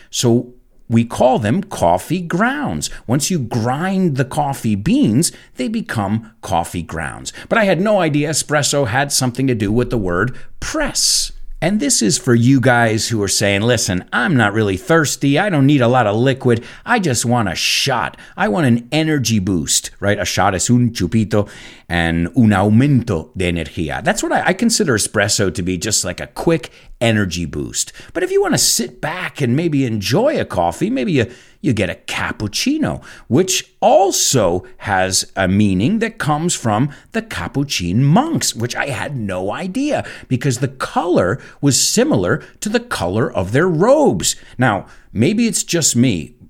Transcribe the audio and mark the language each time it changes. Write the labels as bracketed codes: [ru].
[en] So we call them coffee grounds. Once you grind the coffee beans, they become coffee grounds. But I had no idea espresso had something to do with the word press. And this is for you guys who are saying, listen, I'm not really thirsty. I don't need a lot of liquid. I just want a shot. I want an energy boost, right? A shot [es] es un chupito and un aumento de energía. [en] That's what I consider espresso to be, just like a quick energy boost. But if you want to sit back and maybe enjoy a coffee, maybe you get a cappuccino, which also has a meaning that comes from the Capuchin monks, which I had no idea, because the color was similar to the color of their robes. Now, maybe it's just me,